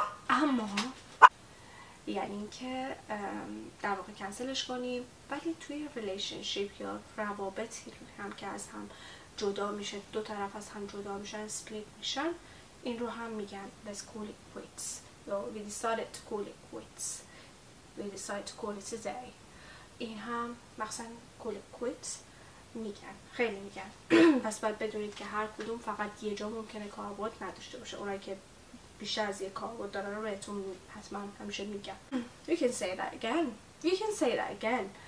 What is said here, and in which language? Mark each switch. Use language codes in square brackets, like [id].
[fa] اما یعنی اینکه در واقع کنسلش کنیم. ولی توی ریلیشنشیپ یا روابطی هم که از هم جدا میشه، دو طرف از هم جدا میشن، سپلیت میشن، این رو هم میگن [en] let's call it quits. We decided to call it quits. We decided to call it a day. [fa] این هم مثلا call it quits میگن، خیلی میگن. پس باید بدونید که هر کدوم فقط یه جا ممکنه کاربرد نداشته باشه. اونایی که بیشتر از یه کاربرد دارن رو بهتون حتما همیشه میگن. [en] You can say that again. You can say that again.